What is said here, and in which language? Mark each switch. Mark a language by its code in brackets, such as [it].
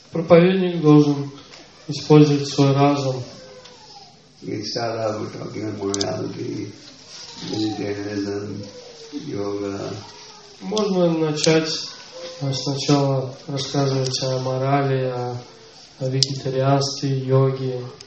[ru] Проповедник должен использовать свой разум. [en] We start out with talking about morality, vegetarianism, yoga. [ru] Можно начать сначала рассказывать о морали, о вегетарианстве, йоге.